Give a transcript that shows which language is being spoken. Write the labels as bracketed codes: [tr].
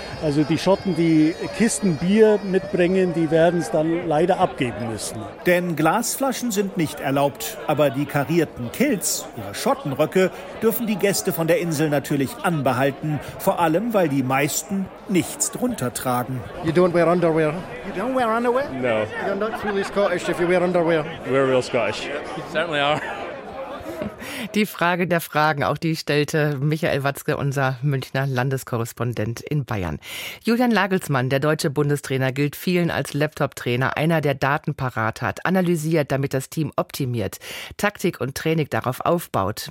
[de] Also die Schotten, die Kisten Bier mitbringen, die werden es dann leider abgeben müssen. Denn Glasflaschen sind nicht erlaubt. Aber die karierten Kilts, ihre Schottenröcke, dürfen die Gäste von der Insel natürlich anbehalten. Vor allem, weil die meisten nichts drunter tragen. [en] You don't wear underwear? You don't wear underwear? No. You're not truly Scottish if you wear underwear. We're real Scottish. Certainly are. [de] Die Frage der Fragen, auch die stellte Michael Watzke, unser Münchner Landeskorrespondent in Bayern. Julian Nagelsmann, der deutsche Bundestrainer, gilt vielen als Laptop-Trainer, einer, der Daten parat hat, analysiert, damit das Team optimiert, Taktik und Training darauf aufbaut.